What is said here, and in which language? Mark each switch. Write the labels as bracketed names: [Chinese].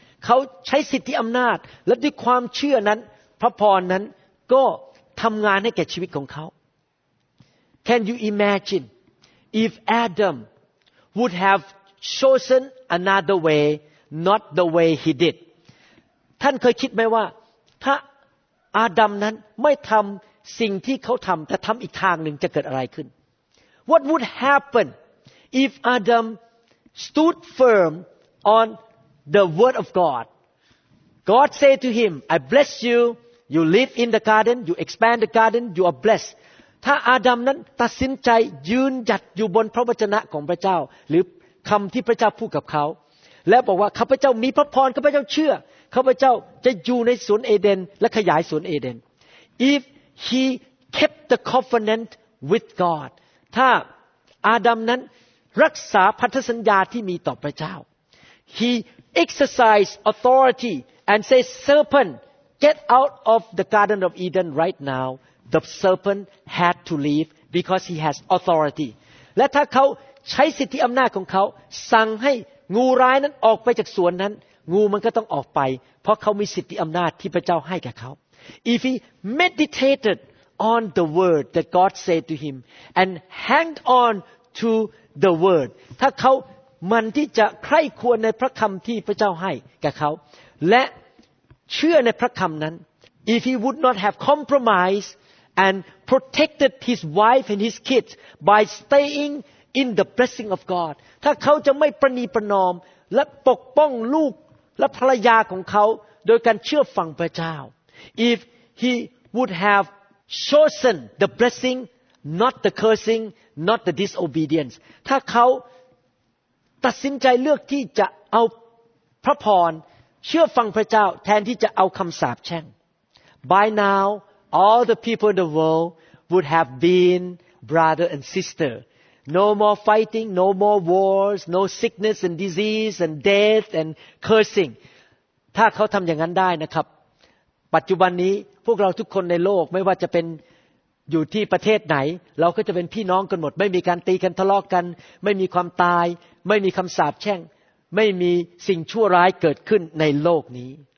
[Thai] เขาใช้สิทธิอำนาจและด้วยความเชื่อนั้นพระพรนั้นก็ทำงานให้แก่ชีวิตของเขา [English] Can you imagine if Adam would have chosen another way, not the way he did? [Thai] ท่านเคยคิดไหมว่าถ้าอาดัมนั้นไม่ทำสิ่งที่เขาทำแต่ทำอีกทางหนึ่งจะเกิดอะไรขึ้น [English] What would happen if Adam stood firm on the word of God? God said to him, I bless you. You live in the garden. You expand the garden. You are blessed. [Thai] ถ้าอาดัมนั้นตัดสินใจยืนหยัดอยู่บนพระวจนะของพระเจ้าหรือคำที่พระเจ้าพูดกับเขาและบอกว่าข้าพเจ้ามีพระพรข้าพเจ้าเชื่อข้าพเจ้าจะอยู่ในสวนเอเดนและขยายสวนเอเดน [English] If he kept the covenant with God [Thai] ถ้าอาดัมนั้นรักษาพันธสัญญาที่มีต่อพระเจ้า [English] He exercised authority and said serpent get out of the garden of Eden right nowThe serpent had to leave because he has authority. [Thai] และถ้าเขาใช้สิทธิอำนาจของเขาสั่งให้งูร้ายนั้นออกไปจากสวนนั้นงูมันก็ต้องออกไปเพราะเขามีสิทธิอำนาจที่พระเจ้าให้แก่เขา [English] If he meditated on the word that God said to him and hanged on to the word, [Thai] ถ้าเขามันที่จะใคร่ควรในพระคำที่พระเจ้าให้แก่เขาและเชื่อในพระคำนั้น [English] If he would not have compromised and protected his wife and his kids by staying in the blessing of God. [Thai] ถ้าเขาจะไม่ประนีประนอมและปกป้องลูกและภรรยาของเขาโดยการเชื่อฟังพระเจ้า [English] if he would have chosen the blessing not the cursing not the disobedience [Thai] ถ้าเขาตัดสินใจเลือกที่จะเอาพระพรเชื่อฟังพระเจ้าแทนที่จะเอาคำสาปแช่ง [English] by now all the people in the world would have been brother and sisterNo more fighting, no more wars, no sickness and disease and death and cursing. [Thai] ถ้าเขาทำอย่างนั้นได้นะครับปัจจุบันนี้พวกเราทุกคนในโลกไม่ว่าจะเป็นอยู่ที่ประเทศไหนเราก็จะเป็นพี่น้องกันหมดไม่มีการตีกันทะเลาะกันไม่มีความตายไม่มีคำสาปแช่งไม่มีสิ่งชั่วร้ายเกิดขึ้นในโลกนี